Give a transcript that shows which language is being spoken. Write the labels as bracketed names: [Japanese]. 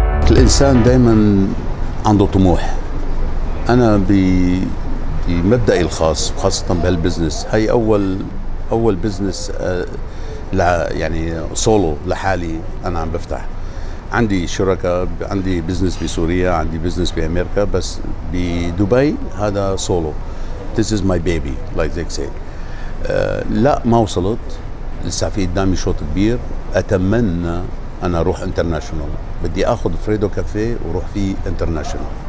[Arabic] الإنسان دايماً عنده طموح. أنا بمبدأي الخاص، وخاصة بهالبزنس، هاي أول بزنس يعني سولو لحالي أنا عم بفتح. عندي شركة، عندي بزنس بسوريا، عندي بزنس بأمريكا، بس بدبي هذا سولو. [English] This is my baby, like they say. [Arabic] لا ما وصلت، لسه في قدامي شوط كبير. أتمنى أنا أروح انترناشونال، بدي أخذ فريدو كافيه وروح فيه انترناشونال.